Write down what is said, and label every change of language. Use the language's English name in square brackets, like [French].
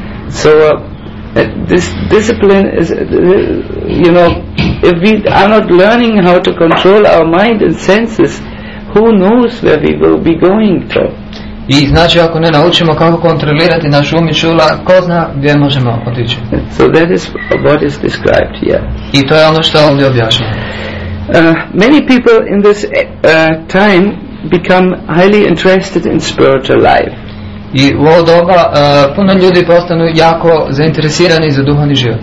[English] So this discipline is, you know, if we are not learning how to control our mind and senses, who knows where we will be going to. [Croatian] I znači ako ne naučimo kako kontrolirati naš um i čula, ko zna gdje možemo otići. [English] So that is what is described here. [Croatian] I to je ono što je ovdje objašnjeno. [English] Many people in this time become highly interested in spiritual life. [Croatian] I u ovo doba puno ljudi postanu jako zainteresirani za duhovni život.